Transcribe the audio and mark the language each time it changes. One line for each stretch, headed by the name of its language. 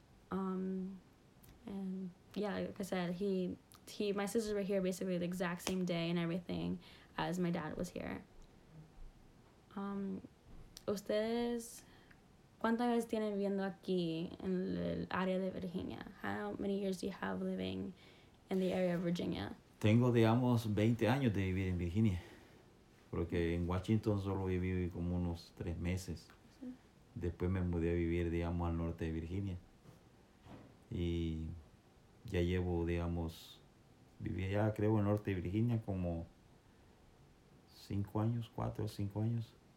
English: And yeah, like I said, he my sisters were here basically the exact same day and everything as my dad was here.
Spanish: ¿Ustedes cuántos años tienen viviendo aquí en el área de Virginia?
English: How many years do you have living in the area of Virginia?
Spanish: Tengo, digamos, 20 años de vivir en Virginia, porque en Washington solo viví como unos 3 meses. Sí. Después me mudé a vivir, digamos, al norte de Virginia. Y ya llevo, digamos, viví allá, creo, en el norte de Virginia como 4 o 5 años.